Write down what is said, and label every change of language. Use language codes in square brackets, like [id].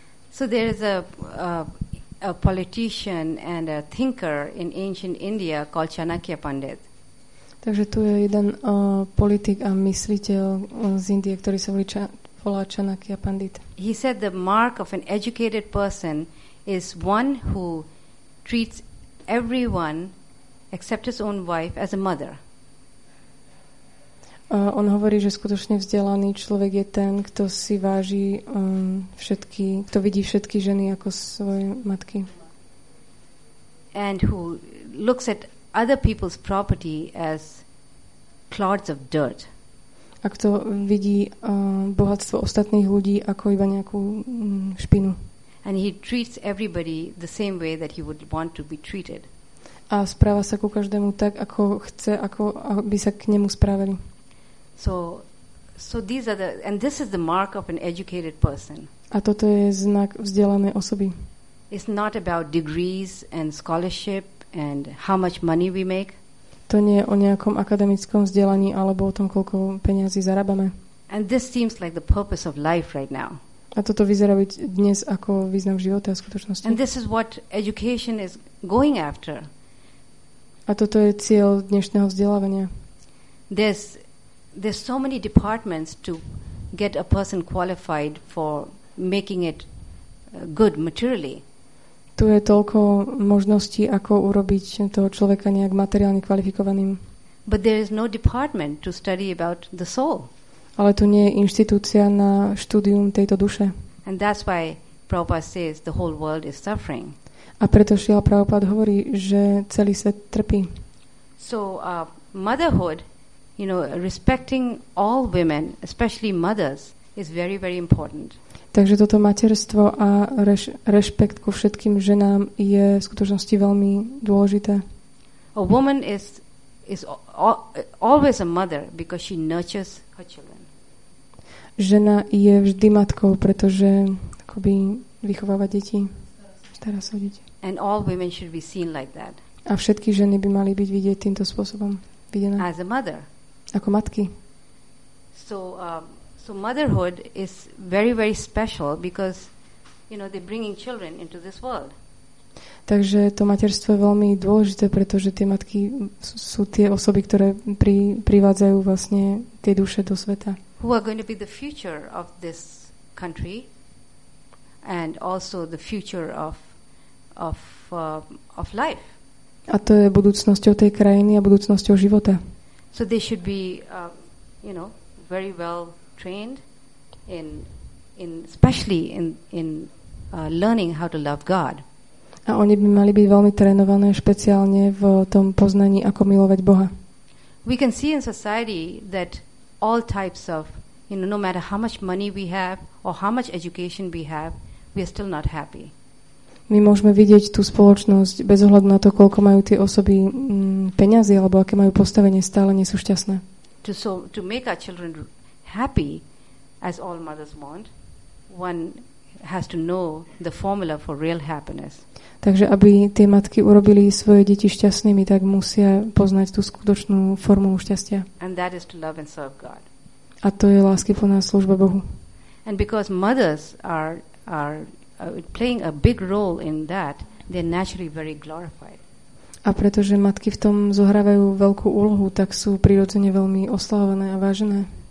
[en] So there is a politician and a thinker in ancient India called Chanakya Pandit. [sk] Takže tu je jeden politik a mysliteľ z Indie, ktorý sa volá Chanakya Pandit. [en] He said the mark of an educated person is one who treats everyone except his own wife as a mother. [sk] On hovorí, že skutočne vzdelaný človek je ten, kto si váži všetky, kto vidí všetky ženy ako svoje matky. [en] And who looks at other people's property as clods of dirt. [sk] A kto vidí bohatstvo ostatných ľudí ako iba nejakú špinu. [en] And he treats everybody the same way that he would want to be treated. [sk] A správa sa ku každému tak, ako chce, ako by sa k nemu správali. [en] So these are this is the mark of an educated person. [sk] A toto je znak vzdelanej osoby. [en] It's not about degrees and scholarship and how much money we make. [sk] To nie je o nejakom akademickom vzdelaní alebo o tom, koľko peňazí zarábame. [en] And this seems like the purpose of life right now. [sk] A toto vyzerá byť dnes ako význam života a skutočnosti. [en] And this is what education is going after. [sk] A toto je cieľ dnešného vzdelávania. [en] There's so many departments to get a person qualified for making it good materially. [sk] Tu je toľko možností, ako urobiť toho človeka nejak materiálne kvalifikovaným. [en] But there is no department to study about the soul. [sk] Ale tu nie je inštitúcia na štúdium tejto duše. [en] And that's why Prabhupada says the whole world is suffering. [sk] A preto Šrila Prabhupada hovorí, že celý svet trpí. [en] So motherhood, you know, respecting all women, especially mothers, is very, very important. [sk] Takže toto materstvo a rešpekt ku všetkým ženám je v skutočnosti veľmi dôležité. [en] A woman is always a mother because she nurtures her children. [sk] Žena je vždy matkou, pretože akoby vychováva deti, stará sa o deti. [en] And all women should be seen like that. [sk] A všetky ženy by mali byť vidieť týmto spôsobom, videné. [en] As a mother. [sk] Ako matky. [en] So motherhood is very, very special because, you know, they're bringing children into this world. [sk] Takže to materstvo je veľmi dôležité, pretože tie matky sú tie osoby, ktoré privádzajú vlastne tie duše do sveta. [en] Who are going to be the future of this country and also the future of life. [sk] A to je budúcnosťou tej krajiny a budúcnosťou života. [en] So they should be, you know, very well trained in especially in learning how to love God. [sk] A oni by mali byť veľmi trénované špeciálne v tom poznaní, ako milovať Boha. [en] We can see in society that all types of, you know, no matter how much money we have or how much education we have, we are still not happy. [sk] My môžeme vidieť tú spoločnosť bez ohľadu na to, koľko majú tie osoby peňazí alebo aké majú postavenie, stále nie sú šťastné. [en] To make our children happy, as all mothers want, one has to know the formula for real happiness. [sk] Takže aby tie matky urobili svoje deti šťastnými, tak musia poznať tú skutočnú formu šťastia. [en] And that is to love and serve God. [sk] A to je láskyplná služba Bohu. [en] And because mothers are playing a big role in that, they're naturally very glorified. [sk] A pretože matky v tom zohrávajú veľkú úlohu, tak sú prirodzene veľmi oslavované a vážené.